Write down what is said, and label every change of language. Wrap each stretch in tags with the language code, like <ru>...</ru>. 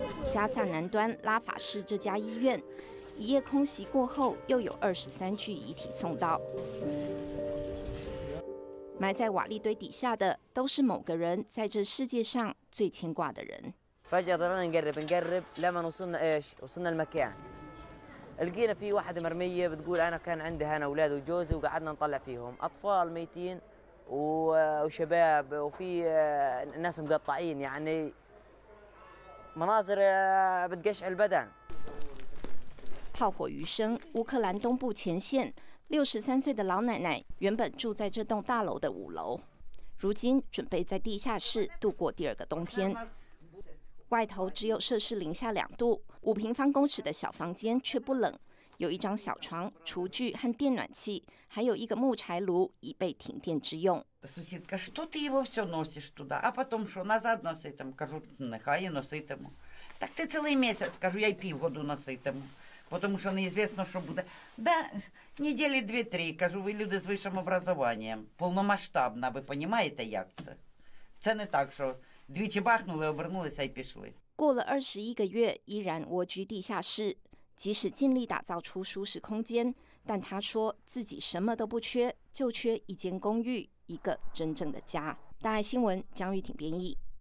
<zh>加萨南端拉法市这家医院，一夜空袭过后，又有23具遗体送到。埋在瓦砾堆底下的，都是某个人在这世界上最牵挂的人。</zh> <ar>فجأة ضلنا نقرب لما وصلنا إيش وصلنا المكان لقينا في واحدة مرمية بتقول أنا كان عندها أنا أولاد وجوزي وقعدنا نطلع فيهم أطفال ميتين وشباب وفي ناس مقطعين يعني مناظر بتقشع البدن.</ar> <zh>炮火余生，乌克兰东部前线，63岁的老奶奶原本住在这栋大楼的5楼，如今准备在地下室度过第二个冬天。外头只有摄氏-2度，5平方公尺的小房间却不冷，有一张小床、厨具和电暖器，还有一个木柴炉以备停电之用。</zh> <uk>Сусідка, що ти його все носиш туди, а потім що назад носитиму? Кажу, нехай носитиму. Так ти цілий місяць, кажу, я й півгоду носитиму, потому що неізвісно, що буде. Да, неділі 2-3, кажу, ви люди з вищим образованням, повномасштабна, ви понімаєте, як це? Це не так, що...</uk> <zh>过了21个月，依然蜗居地下室。即使尽力打造出舒适空间，但他说自己什么都不缺，就缺一间公寓，一个真正的家。大爱新闻江玉婷编译。</zh>